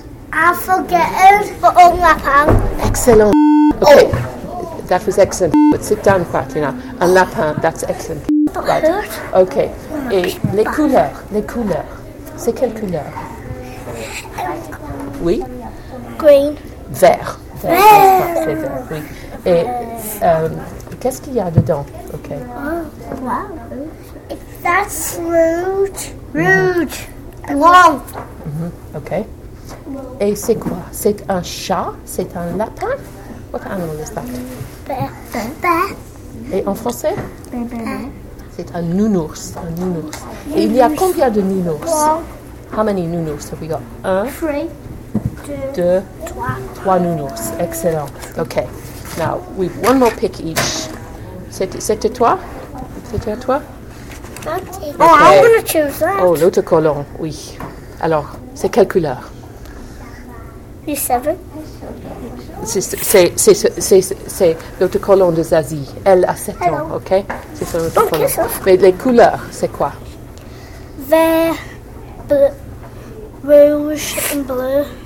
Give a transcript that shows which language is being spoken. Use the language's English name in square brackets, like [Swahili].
[English] I forget it, but on my palm. Excellent. Okay, oh. That was excellent. But sit down quietly now. [French] Un lapin, [English] that's excellent. Right. Ok. [French] Et les couleurs, les couleurs. C'est quelle couleur? Oui. [English] Green. [French] Vert. Vert. Vert. Vert. Oui. Et qu'est-ce qu'il y a dedans? Ok. [English] Oh, wow. If that's rouge. [French] Rouge. Blanc. Mm-hmm. Ok. Et c'est quoi? C'est un chat? C'est un lapin? [English] What animal is that? [French] Vert. Et en français? Vert. C'est un nounours, un nounours. Et il y a combien de nounours? Trois. [English] How many nounours have we got? [French] Un. [English] Three. [French] Deux. Trois. Trois nounours. Excellent. OK. [English] Now, we've one more pick each. [French] C'était toi? C'était à toi? [English] Okay. Oh, I'm going to choose that. [French] Oh, l'autre colon, oui. Alors, c'est quelle couleur? [English] You're seven. [French] C'est l'autocollant de Zazie. Elle a 7 [English] Hello. [French] Ans, ok? C'est son autocollant. Mais les couleurs, c'est quoi? Vert, bleu, rouge et bleu.